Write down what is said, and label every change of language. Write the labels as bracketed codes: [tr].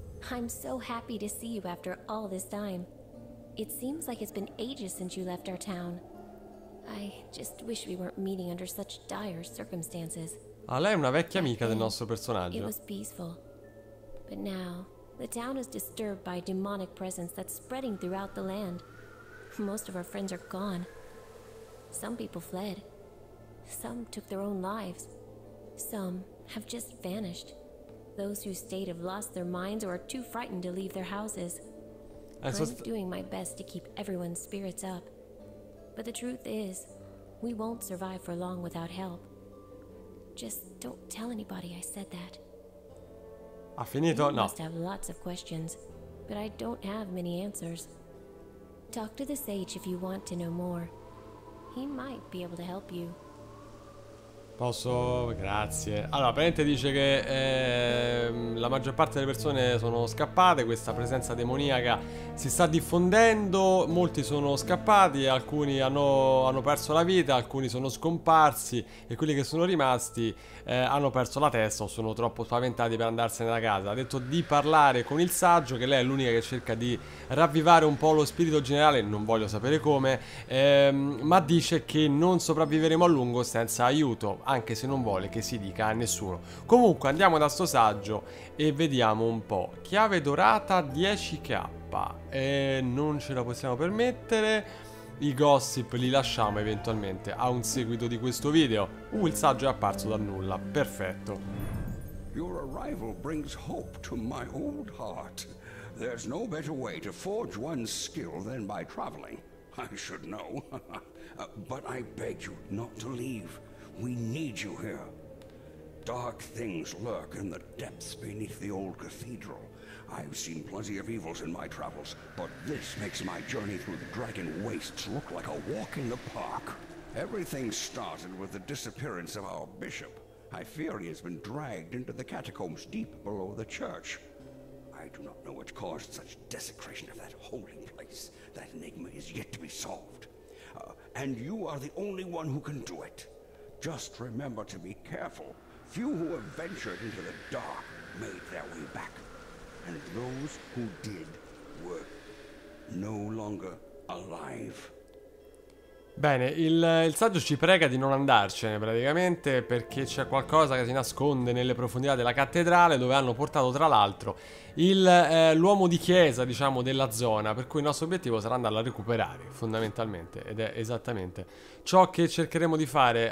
[en] I'm so happy to see you after all this time. It seems like it's been ages since you left our town. I just wish we weren't meeting under such dire circumstances. [it] Ah, lei è una vecchia amica del nostro personaggio. [en] It was peaceful. But now, the town is disturbed by a demonic presence that's spreading throughout the land. Most of our friends are gone. Some people fled. Some took their own lives. Some have just vanished. Those who stayed have lost their minds or are too frightened to leave their houses. I'm doing my best to keep everyone's spirits up. But the truth is, we won't survive for long without help. Just don't tell anybody I said that. [it] Ha finito? [en] You no. You must have lots of questions, but I don't have many answers. Talk to the sage if you want to know more. He might be able to help you. [it] Posso? Grazie. Allora, apparentemente dice che la maggior parte delle persone sono scappate, questa presenza demoniaca si sta diffondendo, molti sono scappati, alcuni hanno perso la vita, alcuni sono scomparsi e quelli che sono rimasti hanno perso la testa o sono troppo spaventati per andarsene da casa. Ha detto di parlare con il saggio, che lei è l'unica che cerca di ravvivare un po' lo spirito generale, non voglio sapere come, ma dice che non sopravviveremo a lungo senza aiuto. Anche se non vuole che si dica a nessuno. Comunque andiamo da sto saggio e vediamo un po'. Chiave dorata 10k, non ce la possiamo permettere. i gossip li lasciamo eventualmente a un seguito di questo video. Il saggio è apparso dal nulla, perfetto. [en] Your arrival brings hope to my old heart. There's no better way to forge one's skill than by traveling. I should know. But I beg you not to leave. We need you here. Dark things lurk in the depths beneath the old cathedral. I've seen plenty of evils in my travels, but this makes my journey through the dragon wastes look like a walk in the park. Everything started with the disappearance of our bishop. I fear he has been dragged into the catacombs deep below the church. I do not know what caused such desecration of that holy place. That enigma is yet to be solved. And you are the only one who can do it. Just remember to be careful. Few who have ventured into the dark made their way back. And those who did were no longer alive. [it] Bene, il saggio ci prega di non andarcene praticamente, perché c'è qualcosa che si nasconde nelle profondità della cattedrale, dove hanno portato tra l'altro l'uomo di chiesa, diciamo, della zona, per cui il nostro obiettivo sarà andarlo a recuperare fondamentalmente, ed è esattamente ciò che cercheremo di fare.